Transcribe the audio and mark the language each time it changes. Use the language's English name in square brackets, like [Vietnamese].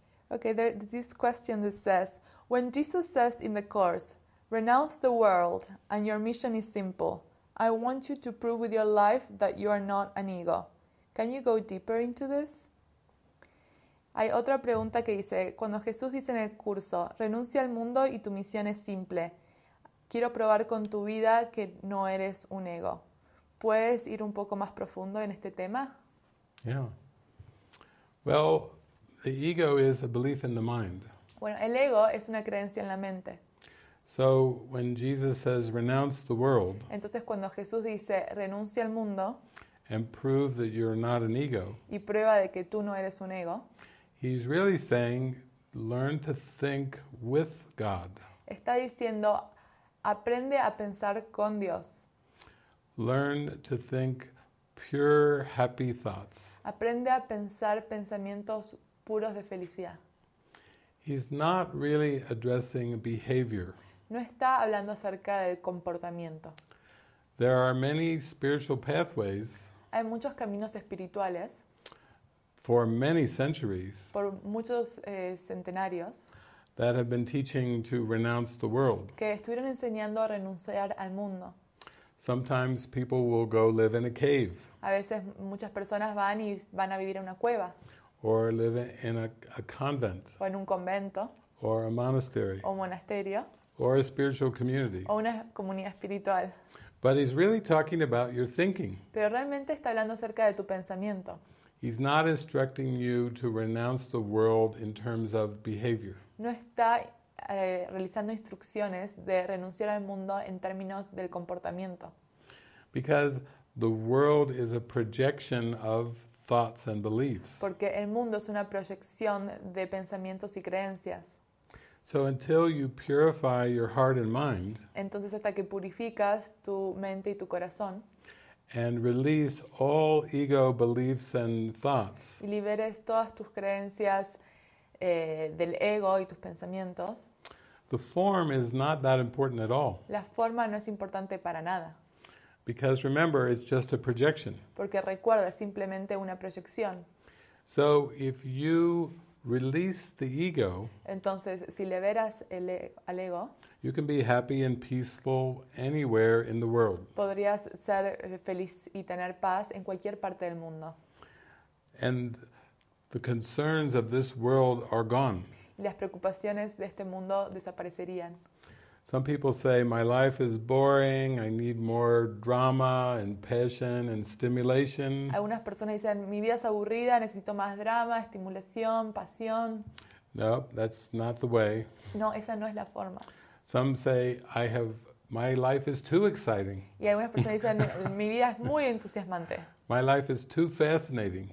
[English] Okay, there's this question that says, when Jesus says in the Course, renounce the world and your mission is simple, I want you to prove with your life that you are not an ego. Can you go deeper into this? [Spanish] Hay otra pregunta que dice, cuando Jesús dice en el curso, renuncia al mundo y tu misión es simple, quiero probar con tu vida que no eres un ego. ¿Puedes ir un poco más profundo en este tema? [English] Yeah. Well, the ego is a belief in the mind. [Spanish] Bueno, el ego es una creencia en la mente. [English] So when Jesus says renounce the world, [Spanish] entonces cuando Jesús dice renuncia al mundo, [English] and prove that you're not an ego, [Spanish] y prueba de que tú no eres un ego, [English] he's really saying learn to think with God. [Spanish] Está diciendo aprende a pensar con Dios. [English] Learn to think pure happy thoughts. [Spanish] Aprende a pensar pensamientos puros de felicidad. [English] He's not really addressing behavior. [Spanish] No está hablando acerca del comportamiento. [English] There are many spiritual pathways. [Spanish] Hay muchos caminos espirituales. [English] For many centuries. [Spanish] Por muchos centenarios. [English] That have been teaching to renounce the world. [Spanish] Que estuvieron enseñando a renunciar al mundo. [English] Sometimes people will go live in a cave. [Spanish] A veces muchas personas van y van a vivir en una cueva. [English] Or live in a convent. [Spanish] O en un convento. [English] Or a monastery. [Spanish] O un monasterio. [English] Or a spiritual community. [Spanish] O una comunidad espiritual. [English] But he's really talking about your thinking. [Spanish] Pero realmente está hablando acerca de tu pensamiento. [English] He's not instructing you to renounce the world in terms of behavior. [Spanish] no está realizando instrucciones de renunciar al mundo en términos del comportamiento. [English] Because the world is a projection of thoughts and beliefs. [Spanish] Porque el mundo es una proyección de pensamientos y creencias. [English] So until you purify your heart and mind, [Spanish] entonces hasta que purificas tu mente y tu corazón, [English] and release all ego beliefs and thoughts, [Spanish] y liberes todas tus creencias del ego y tus pensamientos, [English] the form is not that important at all. [Spanish] La forma no es importante para nada. [English] Because remember, it's just a projection. [Spanish] Porque recuerda, simplemente una proyección. [English] So if you release the ego, [Spanish] entonces si liberas el al ego, [English] you can be happy and peaceful anywhere in the world. [Spanish] Podrías ser feliz y tener paz en cualquier parte del mundo. [English] And the concerns of this world are gone. [Spanish] Y las preocupaciones de este mundo desaparecerían. [English] Some people say, my life is boring, I need more drama and passion and stimulation. [Spanish] Algunas personas dicen, mi vida es aburrida, necesito más drama, estimulación, pasión. [English] No, that's not the way. [Spanish] No, esa no es la forma. [English] Some say, my life is too exciting. [Spanish] Y algunas personas dicen, mi vida es muy entusiasmante. [English] My life is too fascinating.